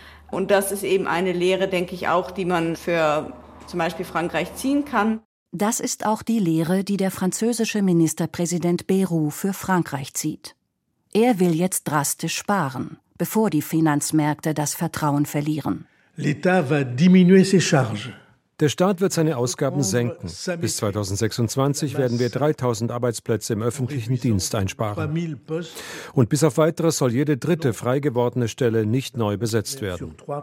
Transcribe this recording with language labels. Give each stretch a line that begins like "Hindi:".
German: Und das ist eben eine Lehre, denke ich auch, die man für zum Beispiel Frankreich ziehen kann. Das ist auch die Lehre, die der französische Ministerpräsident Bayrou für Frankreich zieht. Er will jetzt drastisch sparen, bevor die Finanzmärkte das Vertrauen verlieren.
French: L'État va diminuer ses charges.
German: Der Staat wird seine Ausgaben senken. Bis 2026 werden wir 3.000 Arbeitsplätze im öffentlichen Dienst einsparen. Und bis auf Weiteres soll jede dritte frei gewordene Stelle nicht neu besetzt werden.